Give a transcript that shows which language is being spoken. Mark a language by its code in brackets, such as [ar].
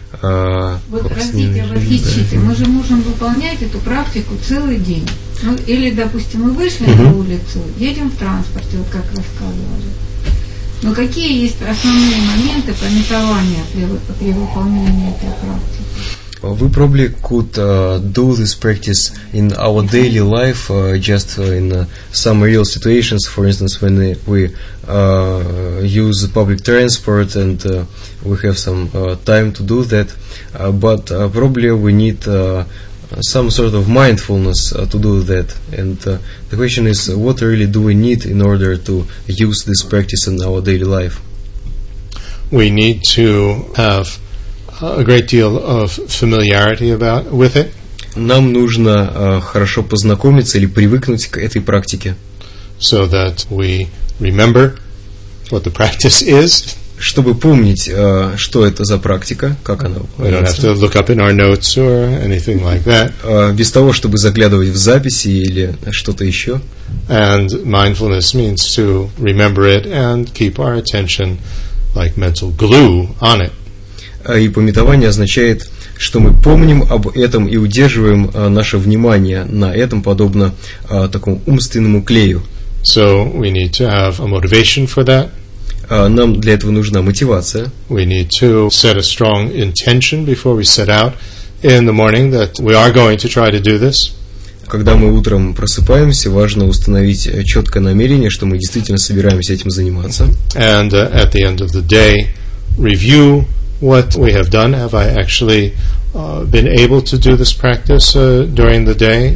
[ru] развития бодхичитти. Да. Мы же можем выполнять эту практику целый день. Ну, или, допустим, мы вышли на улицу, едем в транспорте, вот как рассказывали. Но какие есть основные моменты пометования при выполнении этой практики? [en] We probably could do this practice in our daily life, just in some real situations. For instance, when we use public transport and we have some time to do that. But probably we need some sort of mindfulness to do that. And the question is, what really do we need in order to use this practice in our daily life? We need to have a great deal of familiarity about with it. [ru] Нам нужно хорошо познакомиться или привыкнуть к этой практике. [en] So that we remember what the practice is. [ru] Чтобы помнить, что это за практика, как она. [en] We don't have to look up in our notes or anything like that. [ru] Без того, чтобы заглядывать в записи или что-то еще. [en] And mindfulness means to remember it and keep our attention like mental glue on it. [ru] И пометование означает, что мы помним об этом и удерживаем наше внимание на этом, подобно такому умственному клею. [en] So we need to have a motivation for that. [ru] Нам для этого нужна мотивация. [en] We need to set a strong intention before we set out in the morning that we are going to try to do this. [ru] Когда мы утром просыпаемся, важно установить четкое намерение, что мы действительно собираемся этим заниматься. [en] And at the end of the day, review what we have done. Have I actually been able to do this practice during the day?